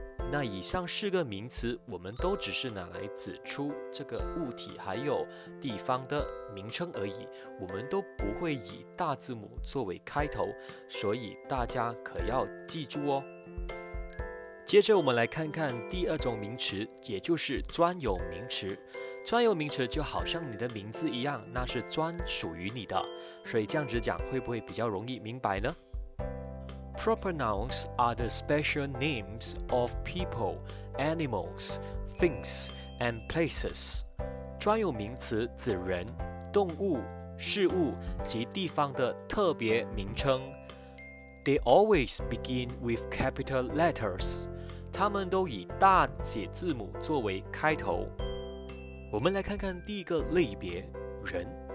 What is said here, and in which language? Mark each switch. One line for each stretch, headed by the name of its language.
Chinese: 那以上四个名词我们都只是拿来指出这个物体还有地方的名称而已，我们都不会以大字母作为开头，所以大家可要记住哦。接着我们来看看第二种名词，也就是专有名词。专有名词就好像你的名字一样，那是专属于你的，所以这样子讲会不会比较容易明白呢？
English: Proper nouns are the special names of people, animals, things, and places.
Chinese: 专有名词指人、动物、事物及地方的特别名称。
English: They always begin with capital letters.
Chinese: 他们都以大写字母作为开头。我们来看看第一个类别，人。